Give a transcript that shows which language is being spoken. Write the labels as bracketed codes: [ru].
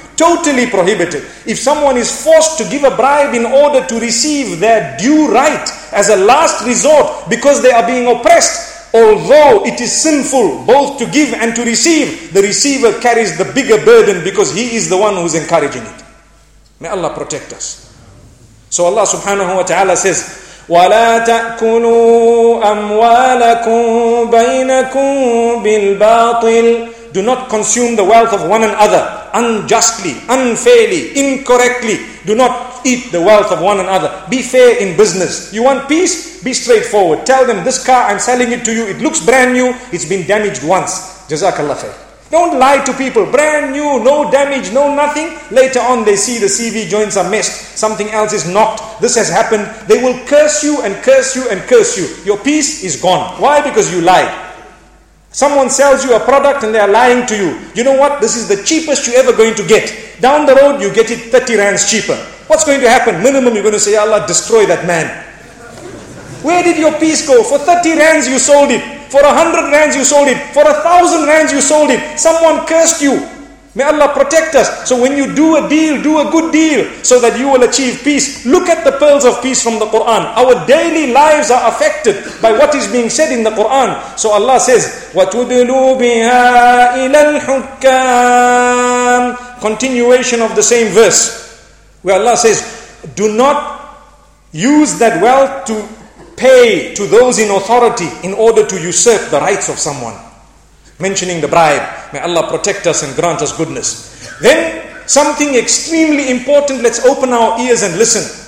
[en] Totally prohibited. If someone is forced to give a bribe in order to receive their due right as a last resort because they are being oppressed, although it is sinful both to give and to receive, the receiver carries the bigger burden because he is the one who is encouraging it. May Allah protect us. So Allah subhanahu wa ta'ala says, [ar] ولا تأكلوا أموالكم بينكم بالباطل. [en] Do not consume the wealth of one another unjustly, unfairly, incorrectly. Do not eat the wealth of one another. Be fair in business. You want peace? Be straightforward. Tell them, this car, I'm selling it to you. It looks brand new. It's been damaged once. Jazakallah khair. Don't lie to people. Brand new, no damage, no nothing. Later on, they see the CV joints are messed. Something else is knocked. This has happened. They will curse you and curse you and curse you. Your peace is gone. Why? Because you lied. Someone sells you a product and they are lying to you. You know what? This is the cheapest you're ever going to get. Down the road, you get it 30 rands cheaper. What's going to happen? Minimum, you're going to say, Allah, destroy that man. Where did your peace go? For 30 rands, you sold it. For 100 rands, you sold it. For 1,000 rands, you sold it. Someone cursed you. May Allah protect us. So when you do a deal, do a good deal so that you will achieve peace. Look at the pearls of peace from the Quran. Our daily lives are affected by what is being said in the Quran. So Allah says, [ar] وَتُدْلُوا بِهَا إِلَى الْحُكَّامِ. [en] Continuation of the same verse. Where Allah says, do not use that wealth to pay to those in authority in order to usurp the rights of someone. Mentioning the bribe. May Allah protect us and grant us goodness. Then, something extremely important. Let's open our ears and listen.